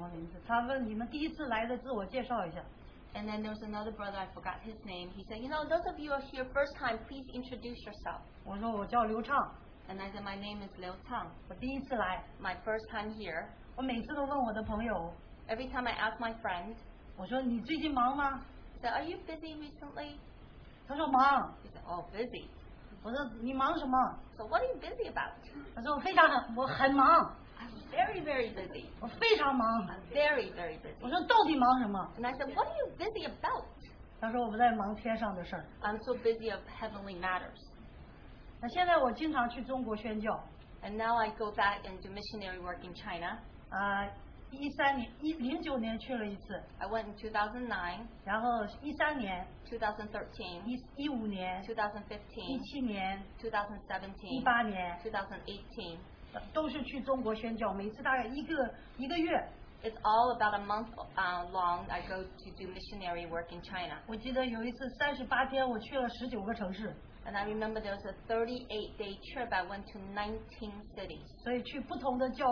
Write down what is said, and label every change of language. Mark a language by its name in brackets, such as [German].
[Chinese] 但是那天好像有一个弟兄又忘记叫什么名字，他问你们第一次来的自我介绍一下。 [English] And then there was another brother, I forgot his name. He said, you know, those of you who are here first time, please introduce yourself. [Chinese] 我说我叫刘畅. [English] And I said, my name is Liu Chang. [Chinese] 我第一次来. [English] My first time here. [Chinese] 我每次都问我的朋友. [English] Every time I ask my friend. [Chinese] 我说你最近忙吗? [English] He said, are you busy recently? [Chinese] 他说忙. [English] He said, oh, busy. [Chinese] 我说你忙什么? [English] So what are you busy about? [Chinese] 他说我很忙. [English] I'm very, very busy. [Chinese] 我非常忙. [English] I'm very, very busy. [Chinese] 我说到底忙什么? [English] And I said, what are you busy about? [Chinese] 他说我不在忙天上的事儿. [English] I'm so busy of heavenly matters. [Chinese] 那现在我经常去中国宣教. [English] And now I go back and do missionary work in China. [Chinese] 2009年去了一次. [English] I went in 2009. [Chinese] 然后13年. [English] 2013. [Chinese] 15年. [English] 2015. [Chinese] 17年. [English] 2017. [Chinese] 18年. [English] 2018. [Chinese] 都是去中国宣教，每次大概一个月。 [English] It's all about a month long I go to do missionary work in China. [Chinese] 我记得有一次38天我去了19个城市。 [English] And I remember there was a 38-day trip I went to 19 cities.